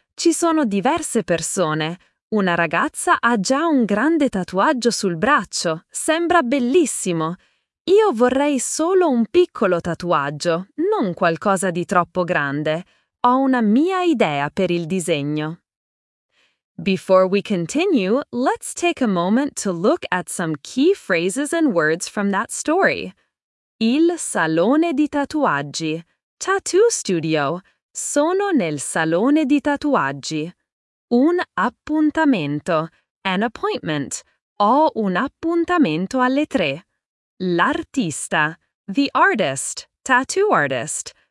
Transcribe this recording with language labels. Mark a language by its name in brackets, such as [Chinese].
[Italian] Ci sono diverse persone. Una ragazza ha già un grande tatuaggio sul braccio. Sembra bellissimo. Io vorrei solo un piccolo tatuaggio, non qualcosa di troppo grande. Ho una mia idea per il disegno. [English] Before we continue, let's take a moment to look at some key phrases and words from that story. [Italian] Il salone di tatuaggi. [English] Tattoo studio. [Italian] Sono nel salone di tatuaggi. Un appuntamento. [English] An appointment. [Italian] Ho un appuntamento alle 3. [English] L'artista. The artist. Tattoo artist.